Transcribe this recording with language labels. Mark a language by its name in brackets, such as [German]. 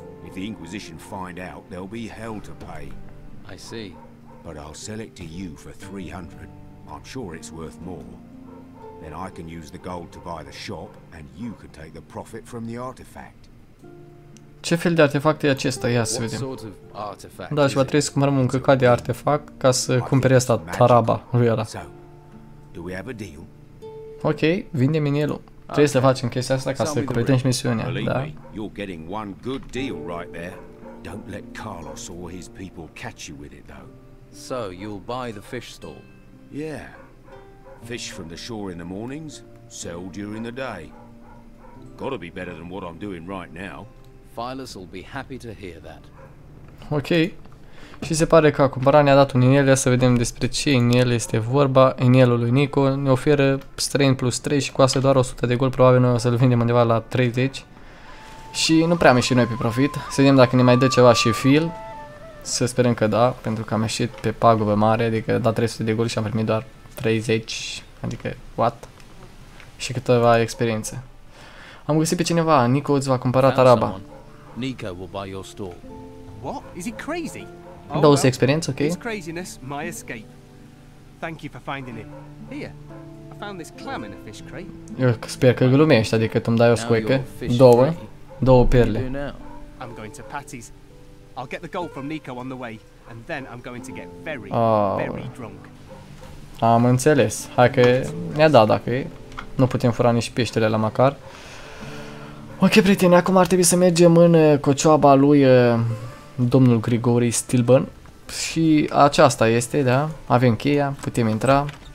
[English] If the Inquisition find out, there'll be hell to pay. I see. But I'll sell it to you for 300. I'm sure it's worth more. Then I can use the gold to buy the shop and you can take the profit from the artifact. [Romanian] Ce fel de artefact e acesta? Ia să vedem. Da, și va trebui să cumpărăm un căcat de artefact ca să cumpere asta taraba lui ăla. [English] So, do we have a deal? [Romanian] Ok, vindem inelul. Trebuie să facem chestia asta ca să completăm și misiunea, da. [English] You're getting one good deal right there. Don't let Carlos or his people catch you with it, though. So, you'll buy the fish stall? Yeah. Fish from the shore in the mornings, sell during the day. Gotta be better than what I'm doing right now. Phyllis will be happy to hear that. Ok. [Romanian] Și se pare că a cumpărat ne-a dat un inel, ia să vedem despre ce inel este vorba, inelul lui Nico, ne oferă strain plus 3 și costă doar 100 de gold, probabil noi o să-l vindem undeva la 30. Și nu prea am ieșit noi pe profit, să vedem dacă ne mai dă ceva și fill, să sperăm că da, pentru că am ieșit pe pagubă mare, adică da 300 de gold și am primit doar 30, adică what? Și câteva experiențe. Am găsit pe cineva, Nico îți va cumpăra taraba. [English] Nico will buy your store. What? Is he crazy? Oh, well, experience, okay. His craziness, my escape. Thank you for finding him. Here, I found this clam in a fish crate. [Romanian] Eu sper că glumești, adică tu-mi dai o scoică. Două perle. [English] I'm going to Patty's. I'll get the gold from Nico on the way, and then I'm going to get very, very drunk. [Romanian] Am înțeles. Hai că ne-a dat dacă e. Nu putem fura nici peștele la măcar. Ok, prieteni, acum ar trebui să mergem în cocioaba lui... domnul Grigori Stilburn și aceasta este, da, avem cheia, putem intra.